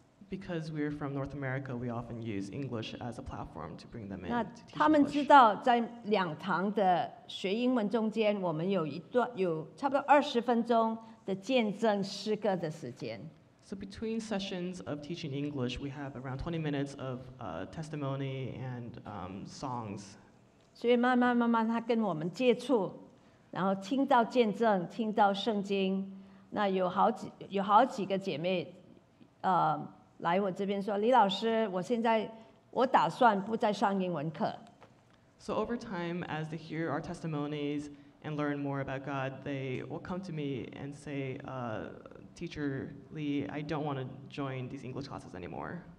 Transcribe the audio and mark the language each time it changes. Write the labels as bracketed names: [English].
[English] Because we're from North America, we often use English as a platform to bring them in. [Chinese] 那他们知道，在两堂的学英文中间，我们有一段有差不多20分钟的见证诗歌的时间。 [English] So between sessions of teaching English, we have around 20 minutes of testimony and songs. [Chinese] 所以慢慢慢慢，他跟我们接触，然后听到见证，听到圣经。那有好几个姐妹，来我这边说，李老师，我现在我打算不再上英文课。 [English] So over time, as they hear our testimonies and learn more about God, they will come to me and say, "Teacher Lee, I don't want to join these English classes anymore."